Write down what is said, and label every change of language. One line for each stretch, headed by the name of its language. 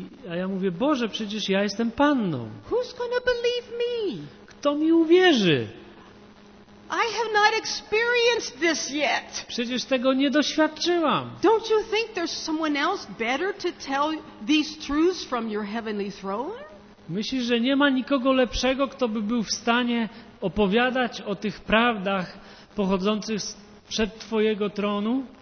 Polish: A ja mówię, Boże, przecież ja jestem panną.
English: Who's gonna believe me?
Polish: Kto mi uwierzy?
English: I have not experienced this yet.
Polish: Przecież tego nie doświadczyłam.
English: Don't you think there's someone else better to tell these truths from your heavenly throne?
Polish: Myślisz, że nie ma nikogo lepszego, kto by był w stanie opowiadać o tych prawdach pochodzących przed Twojego tronu?